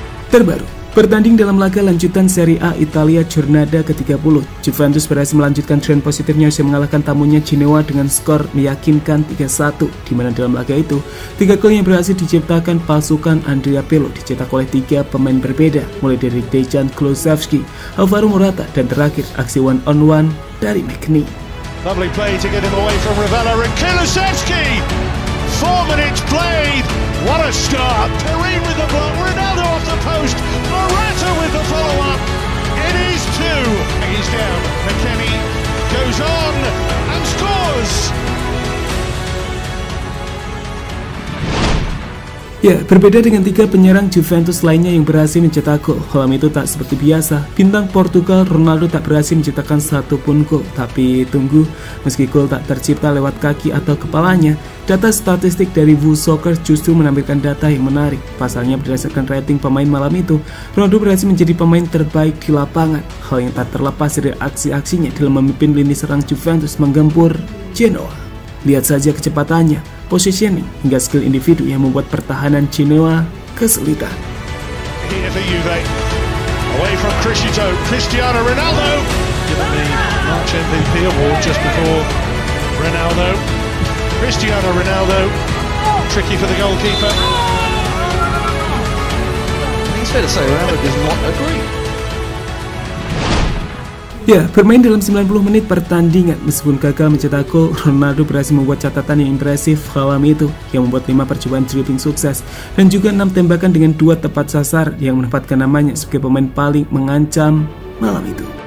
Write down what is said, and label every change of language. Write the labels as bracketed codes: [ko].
[id] Terbaru, bertanding dalam laga lanjutan Serie A Italia Giornata ke-30, Juventus berhasil melanjutkan tren positifnya usai mengalahkan tamunya Genoa dengan skor meyakinkan 3-1, di mana dalam laga itu, 3 gol yang berhasil diciptakan pasukan Andrea Pirlo dicetak oleh 3 pemain berbeda, mulai dari Dejan Kulusevski, Alvaro Morata, dan terakhir aksi one-on-one dari McKennie. [en] Lovely play to get him away from Ravella and Kulusevski! 4 minutes played! What a start! Karim with the ball, Ronaldo off the post, Morata with the follow-up, it is 2! He's down, McKennie goes on and scores! [id] Ya, berbeda dengan 3 penyerang Juventus lainnya yang berhasil mencetak gol, malam itu tak seperti biasa, bintang Portugal Ronaldo tak berhasil mencetakkan satupun gol. Tapi tunggu, meski gol tak tercipta lewat kaki atau kepalanya, data statistik dari WU Soccer justru menampilkan data yang menarik. Pasalnya berdasarkan rating pemain malam itu, Ronaldo berhasil menjadi pemain terbaik di lapangan, hal yang tak terlepas dari aksi-aksinya dalam memimpin lini serang Juventus menggempur Genoa. Lihat saja kecepatannya, positioning, hingga skill individu yang membuat pertahanan Genoa kesulitan. [en] Here for Juve, away from Cristiano, Cristiano Ronaldo, giving the March MVP award just before Ronaldo. Cristiano Ronaldo, tricky for the goalkeeper. It's fair to say Ronaldo does not agree. [id] Ya, bermain dalam 90 menit pertandingan, meskipun gagal mencetak gol, Ronaldo berhasil membuat catatan yang impresif malam itu, yang membuat 5 percobaan dribbling sukses, dan juga 6 tembakan dengan 2 tepat sasar yang menempatkan namanya sebagai pemain paling mengancam malam itu.